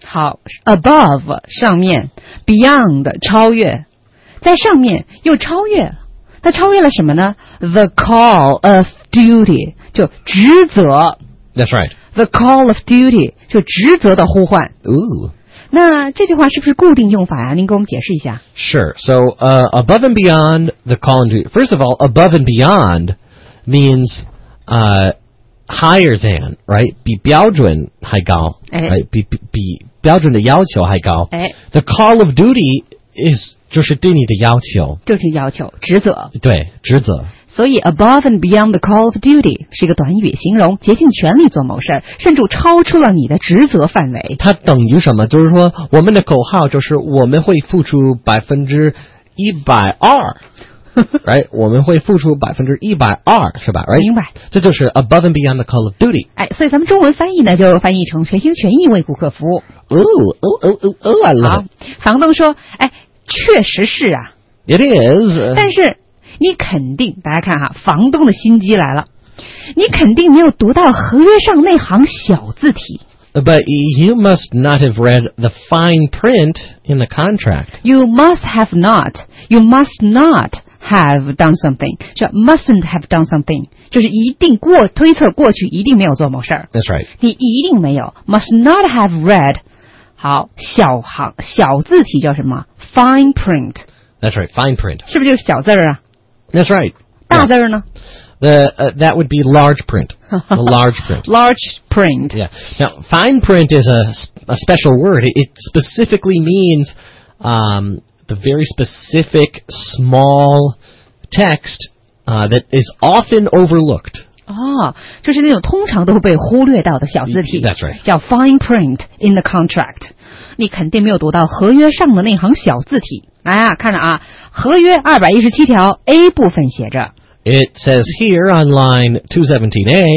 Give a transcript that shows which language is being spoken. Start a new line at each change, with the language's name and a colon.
Chinese: 好 ,above, 上面 ,beyond, 超越。在上面又超越。它超越了什么呢 ?
English: The call of duty,
Chinese: 就职责。
English: That's right.
Chinese: The call of duty, 就职责的呼唤。
English: Ooh.
Chinese: 那这句话是不是固定用法啊您给我们解释一下。
English: Sure. So, above and beyond the call of duty. First of all, above and beyond means, higher than, right?
Chinese: 比标准还高、哎、 right? 比标准的要求还高、哎、
English: The call of duty is
Chinese: 就是对你的要求就是要求职责对职责所以
English: above and beyond the call of duty
Chinese: 是一个短语形容竭尽全力做某事甚至超出了你的职责范围它等于什么就是说我们的口号就是我们会付出 120%right, 我们会付出 120%, 是吧、right? 明白。
English: 这就是 above and beyond the call of duty.
Chinese: 哎，所以咱们中文翻译呢，就翻译成全心全意为顾客服务。
English: 哦哦哦哦哦 I love it.
Chinese: 房东说，哎，确实是啊。
English: It is.
Chinese: 但是，你肯定，大家看哈，房东的心机来了。你肯定没有读到合约上那行小字体。
English: But you must not have read the fine print in the contract. You must have not. You must not. Have done something, 叫 mustn't have done something,
Chinese: 就是一定过推测过去一定没有做某事儿。
English: That's right.
Chinese: 你一定没有
English: must not have read.
Chinese: 好，小行小字体叫什么 ？Fine print.
English: That's right. Fine print.
Chinese: 是不是就是小字儿啊
English: ？That's right.
Chinese: 大字儿呢
English: ？The that would be large print. The large print. Large print. Yeah. Now, fine print is a special word. It specifically means, The very specific small text, that is often overlooked.
Chinese: 哦，就是那种通常都被忽略到的小字体。
English: That's right. 叫 fine print in the contract.
Chinese: 你肯定没有读到合约上的那行小字体。来啊，看着啊，合约217条 A 部分写着。
English: It says here on line 217A.